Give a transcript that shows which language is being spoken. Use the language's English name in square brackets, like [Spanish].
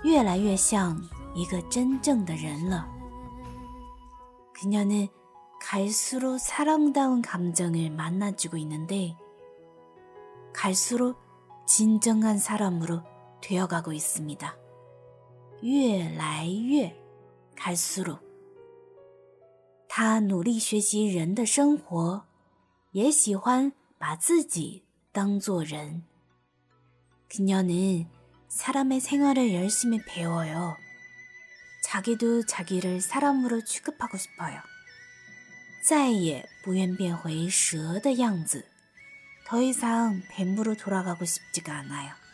[Chinese] 她有了越来越多人的感情越来越像一个真正的人了。 [Korean] 그녀는 갈수록 사람다운 감정을 만나주고 있는데 갈수록 진정한 사람으로 되어가고 있습니다. [Chinese] 越来越 갈수록 她努力学习人的生活也喜欢把自己当做人。 [Korean] 그녀는 사람의 생활을 열심히 배워요. 자기도 자기를 사람으로 취급하고 싶어요. [Chinese] 再也不愿变回蛇的样子。 [Korean] 더 이상 뱀으로 돌아가고 싶지가 않아요.